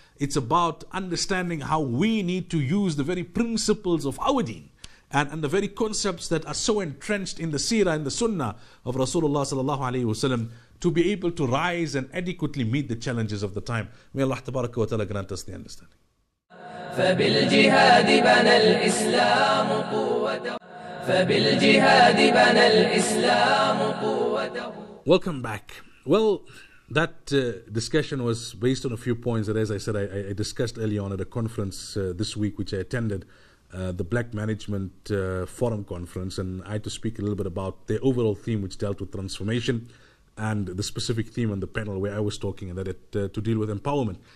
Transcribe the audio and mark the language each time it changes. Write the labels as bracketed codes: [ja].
[en] It's about understanding how we need to use the very principles of our deen and the very concepts that are so entrenched in the seerah and the sunnah of Rasulullah sallallahu alayhi wasallam to be able to rise and adequately meet the challenges of the time. May Allah tabaraka wa ta'ala grant us the understanding. [ar] فبالجهاد بنى الإسلام قوة فبالجهاد بنى الإسلام قوة. [en] Welcome back. Well, that discussion was based on a few points that, as I said, I discussed earlier on at a conference this week which I attended, the Black Management Forum Conference, and I had to speak a little bit about the overall theme which dealt with transformation and the specific theme on the panel where I was talking, and that it to deal with empowerment.